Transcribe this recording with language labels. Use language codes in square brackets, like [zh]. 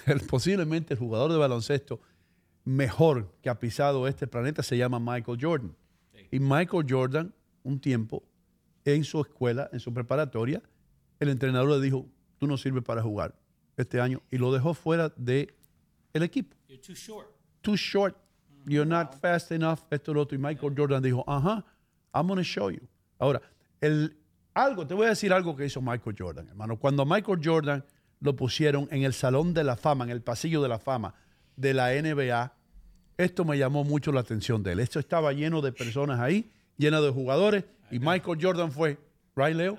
[es] Posiblemente el jugador de baloncesto mejor que ha pisado este planeta se llama Michael Jordan. Sí. Y Michael Jordan, un tiempo, en su escuela, en su preparatoria, el entrenador le dijo, tú no sirves para jugar este año, y lo dejó fuera del equipo. [en] You're too short. Too short. Mm-hmm. You're not fast enough. [es] Esto y lo otro. Y Michael Jordan dijo, ajá, [en] I'm going to show you. [es] Ahora, te voy a decir algo que hizo Michael Jordan, hermano. Cuando Michael Jordan lo pusieron en el Salón de la Fama, en el pasillo de la fama de la NBA, esto me llamó mucho la atención de él. Esto estaba lleno de personas ahí, lleno de jugadores, y Michael Jordan fue, ¿right, Leo?